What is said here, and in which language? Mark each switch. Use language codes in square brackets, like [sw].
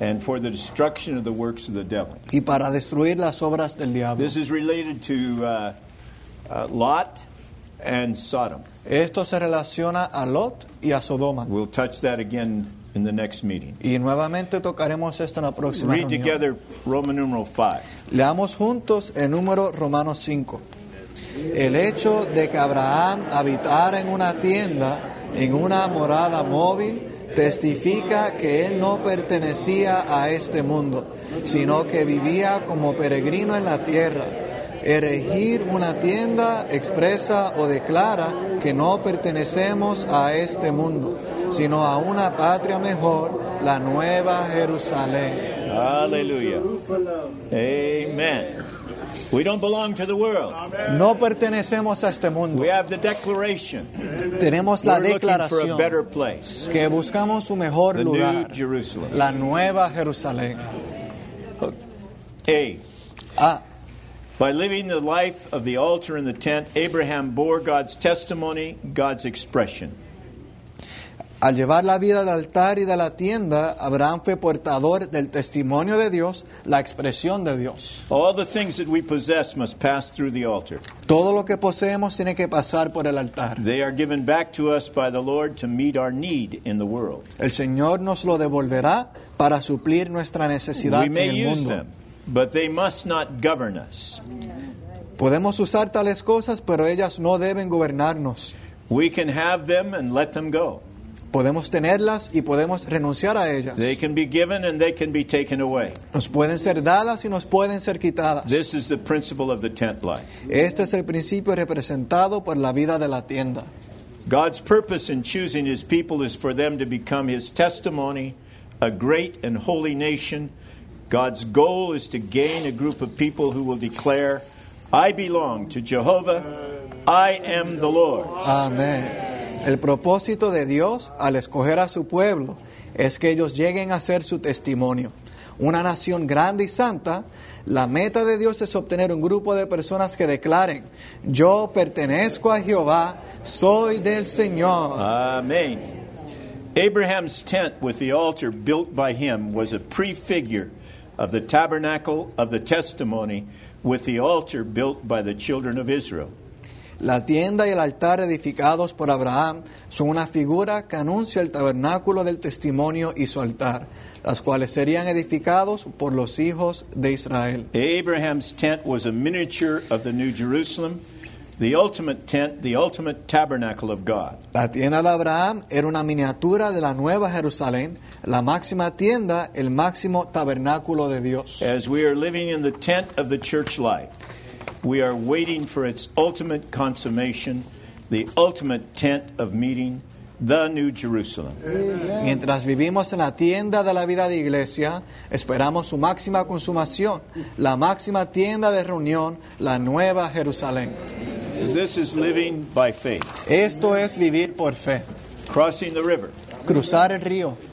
[en] And for the destruction of the works of the devil. [es] Y para destruir las obras del diablo. [en] This is related to Lot and Sodom. [es] Esto se relaciona a Lot y a Sodoma. [en] We'll touch that again in the next meeting. [es] Y nuevamente tocaremos esto en la próxima [en] Read [es] reunión. [en] Together Roman numeral 5. [es] Leamos juntos el número Romanos 5. El hecho de que Abraham habitara en una tienda, en una morada móvil, testifica que él no pertenecía a este mundo, sino que vivía como peregrino en la tierra. Erigir una tienda expresa o declara que no pertenecemos a este mundo, sino a una patria mejor, la Nueva Jerusalén. Aleluya. Amen. [en] We don't belong to the world. [es] No pertenecemos a este mundo. [en] We have the declaration. [es] Tenemos la declaración. [en] We're looking for a better place. [es] Que buscamos un mejor [en] the [es] lugar. [en] The New Jerusalem. [es] La Nueva Jerusalén. [en] A. Ah. By living the life of the altar in the tent, Abraham bore God's testimony, God's expression. [es] Al llevar la vida del altar y de la tienda, Abraham fue portador del testimonio de Dios, la expresión de Dios. [en] All the things that we possess must pass through the altar. [es] Todo lo que poseemos tiene que pasar por el altar. [en] They are given back to us by the Lord to meet our need in the world. [es] El Señor nos lo devolverá para suplir nuestra necesidad en el mundo. [en] We may use them, but they must not govern us. [es] Podemos usar tales cosas, pero ellas no deben gobernarnos. [en] We can have them and let them go. [es] Podemos tenerlas y podemos renunciar a ellas. [en] They can be given and they can be taken away. [es] Nos pueden ser dadas y nos pueden ser quitadas. [en] This is the principle of the tent life. [es] Este es el principio representado por la vida de la tienda. [en] God's purpose in choosing his people is for them to become his testimony, a great and holy nation. God's goal is to gain a group of people who will declare, I belong to Jehovah, I am the Lord. Amen. [es] El propósito de Dios al escoger a su pueblo es que ellos lleguen a ser su testimonio. Una nación grande y santa, la meta de Dios es obtener un grupo de personas que declaren, yo pertenezco a Jehová, soy del Señor. Amen. [en] Abraham's tent with the altar built by him was a prefigure of the tabernacle of the testimony with the altar built by the children of Israel. [es] La tienda y el altar edificados por Abraham son una figura que anuncia el tabernáculo del testimonio y su altar, las cuales serían edificados por los hijos de Israel. [en] Abraham's tent was a miniature of the New Jerusalem, the ultimate tent, the ultimate tabernacle of God. [es] La tienda de Abraham era una miniatura de la Nueva Jerusalén, la máxima tienda, el máximo tabernáculo de Dios. [en] As we are living in the tent of the church life, we are waiting for its ultimate consummation, the ultimate tent of meeting, the New Jerusalem. Amen. [es] Mientras vivimos en la tienda de la vida de iglesia, esperamos su máxima consumación, la máxima tienda de reunión, la Nueva Jerusalén. [en] This is living by faith. [es] Esto es vivir por fe. [en] Crossing the river. [es] Cruzar el río.